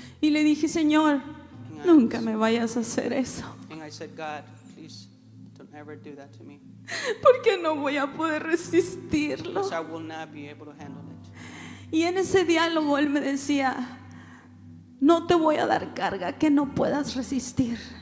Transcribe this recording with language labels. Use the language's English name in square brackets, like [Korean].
[Spanish] Y le dije, Señor, nunca me vayas a hacer eso. [English] And I said, God, please don't ever do that to me. [Spanish] Porque no voy a poder resistirlo. [English] Because I will not be able to handle it. [Spanish] Y en ese diálogo él me decía, no te voy a dar carga que no puedas resistir.